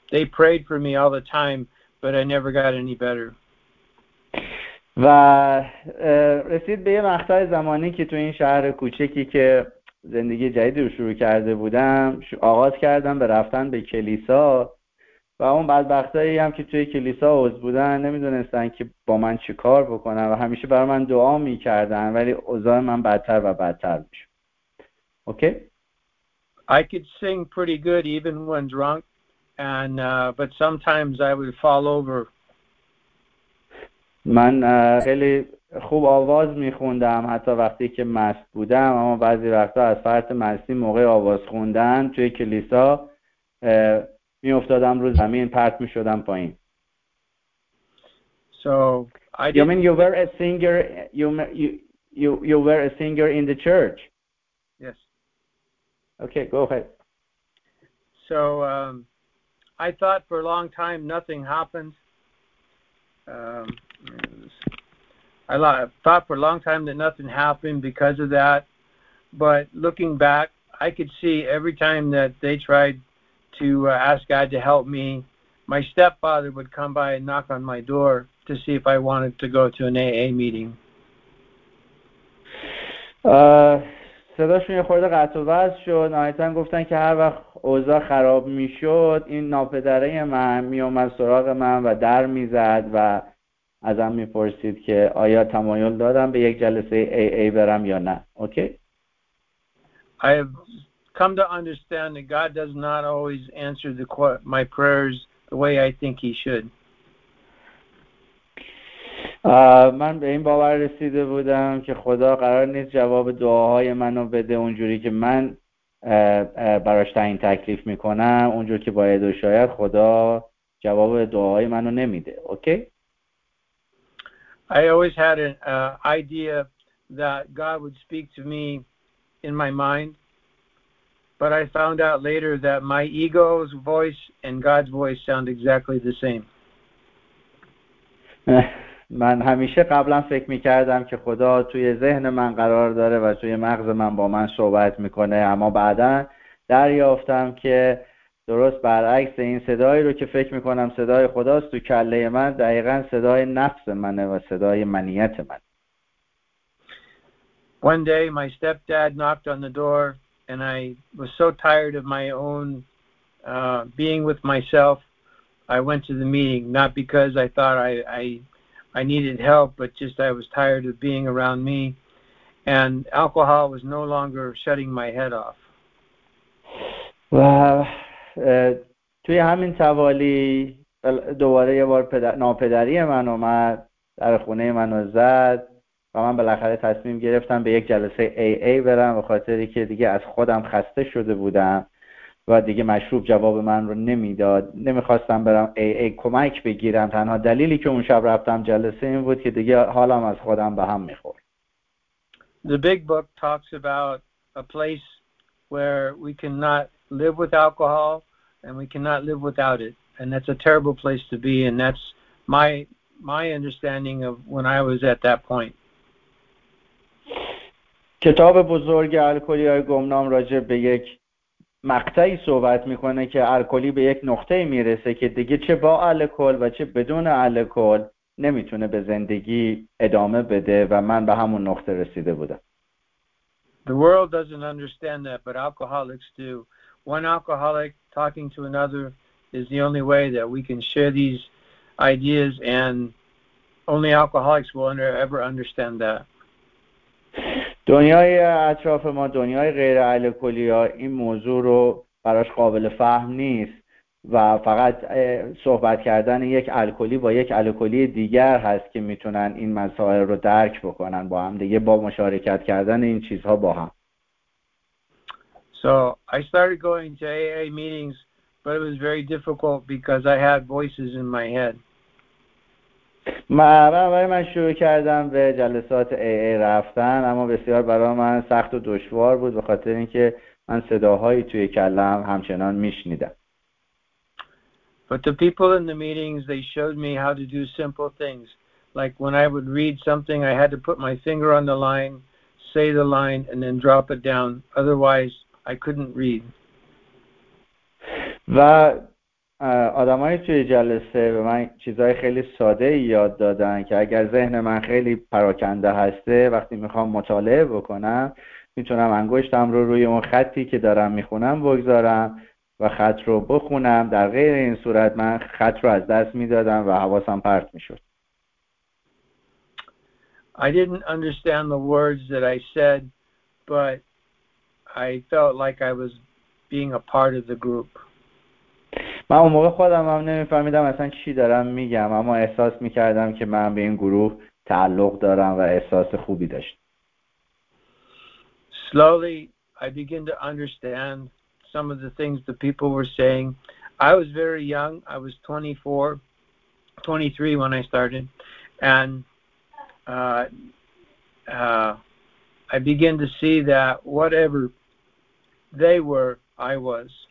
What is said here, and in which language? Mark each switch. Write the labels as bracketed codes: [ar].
[en] They prayed for me all the time, but I never got any better. [fa] و رسید به یه مقطع زمانی که تو این شهر کوچکی که زندگی جدید رو شروع کرده بودم آغاز کردم به رفتن به کلیسا. و اون بدبختایی هم که توی کلیسا عضو بودن نمیدونستن که با من چی کار بکنن و همیشه برای من دعا میکردن ولی اوضاع من بدتر و بدتر میشد. [en] Okay? I could sing pretty good even when drunk and but sometimes I would fall over. [fa] من خیلی خوب آواز میخوندم حتی وقتی که مست بودم، اما بعضی وقتا از فرط مستی موقع آواز خوندن توی کلیسا می افتادم رو زمین پرت می شدم پایین. [en] So I you mean you were a singer you were a singer in the church? Yes. Okay, go ahead. So I thought for a long time nothing happened. I thought for a long time that nothing happened because of that, but looking back I could see every time that they tried to ask God to help me, my stepfather would come by and knock on my door to see if I wanted to go to an AA meeting. [fa] صداشون یه خورده قطع و وصل شد. نهایتاً گفتن که هر وقت اوضاع خراب میشد این ناپدره من میومد سراغ من و در میزد و ازم میپرسید که آیا تمایل دادم به یک جلسه AA برم یا نه. [en] Okay? Okay? I've come to understand that God does not always answer my prayers the way I think he should. [fa] من به این باور رسیده بودم که خدا قرار نیست جواب دعاهای منو بده اونجوری که من براش تعیین تکلیف میکنم، اونجور که باید و شاید خدا جواب دعاهای منو نمیده. [en] Okay? I always had an idea that God would speak to me in my mind. But I found out later that my ego's voice and God's voice sound exactly the same. [fa] من همیشه قبلا فکر می‌کردم که خدا توی ذهن من قرار داره و توی مغز من با من صحبت می‌کنه، اما بعداً دریافتم که درست برعکس این صدایی رو که فکر می‌کنم صدای خداست تو کله من دقیقاً صدای نفس منه و صدای منیت من. [en] One day my stepdad knocked on the door and I was so tired of my own being with myself, I went to the meeting, not because I thought I needed help, but just I was tired of being around me, and alcohol was no longer shutting my head off. [fa] و توی همین توالی دوباره یه بار ناپدری من اومد در خونه منو زد و من بالاخره تصمیم گرفتم به یک جلسه AA برم، به خاطری که دیگه از خودم خسته شده بودم و دیگه مشروب جواب من رو نمیداد. نمیخواستم برم AA کمک بگیرم. تنها دلیلی که اون شب رفتم جلسه این بود که دیگه حالم از خودم به هم میخورد. [en] The big book talks about a place where we cannot live with alcohol and we cannot live without it. And that's a terrible place to be, and that's my understanding of when I was at that point. [fa] کتاب بزرگ الکلی‌های گمنام راجع به یک مقطعی صحبت میکنه که الکلی به یک نقطه میرسه که دیگه چه با الکل و چه بدون الکل نمیتونه به زندگی ادامه بده و من به همون نقطه رسیده بودم. [en] The world doesn't understand that, but alcoholics do. One alcoholic talking to another is the only way that we can share these ideas, and only alcoholics will ever understand that. [fa] دنیای اطراف ما، دنیای غیر الکلی ها این موضوع رو براش قابل فهم نیست و فقط صحبت کردن یک الکلی با یک الکلی دیگر هست که میتونن این مسائل رو درک بکنن با هم دیگه، با مشارکت کردن این چیزها با هم. [en] So I started going to AA meetings, but it was very difficult because I had voices in my head. [fa] من شروع کردم به جلسات AA رفتن، اما بسیار برای من سخت و دشوار بود به خاطر اینکه من صداهایی توی کلم همچنان میشنیدم. [en] But the people in the meetings, they showed me how to do simple things. Like when I would read something, I had to put my finger on the line, say the line, and then drop it down. Otherwise, I couldn't read. [fa] و آدمای توی جلسه به من چیزهای خیلی ساده یاد دادن که اگر ذهن من خیلی پراکنده هسته، وقتی میخوام مطالعه بکنم، میتونم انگشتم رو روی اون خطی که دارم میخونم بگذارم و خط رو بخونم. در غیر این صورت من خط رو از دست میدادم و حواسم پرت میشد. [en] I didn't understand the words that I said, but I felt like I was being a part of the group. [fa] من اون موقع خودم هم نمیفهمیدم اصلا چی دارم میگم، اما احساس میکردم که من به این گروه تعلق دارم و احساس خوبی داشتم. [en] Slowly I begin to understand some of the things the people were saying. I was very young. I was 24, 23 when I started. And I began to see that whatever they were, I was.